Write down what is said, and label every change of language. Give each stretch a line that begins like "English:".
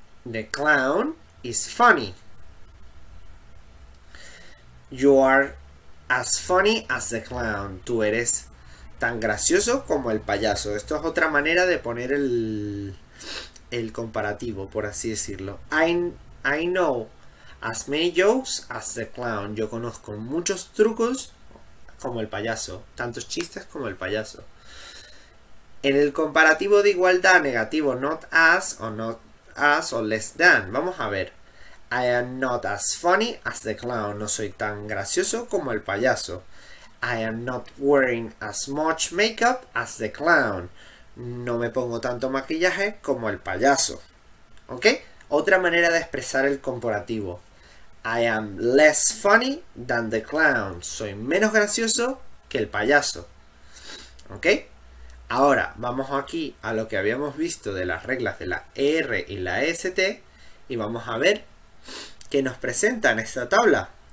English: The clown is funny. You are as funny as the clown.
Spanish: Tú eres tan gracioso como el payaso. Esto es otra manera de poner el comparativo, por así decirlo.
English: I know as many jokes as the clown.
Spanish: Yo conozco muchos trucos como el payaso. Tantos chistes como el payaso. En el comparativo de igualdad, negativo, not as o not as o less than. Vamos a ver.
English: I am not as funny as the clown.
Spanish: No soy tan gracioso como el payaso.
English: I am not wearing as much makeup as the clown.
Spanish: No me pongo tanto maquillaje como el payaso. ¿Ok? Otra manera de expresar el comparativo.
English: I am less funny than the clown.
Spanish: Soy menos gracioso que el payaso. ¿Ok? Ahora vamos aquí a lo que habíamos visto de las reglas de la R y la ST y vamos a ver que nos presentan esta tabla.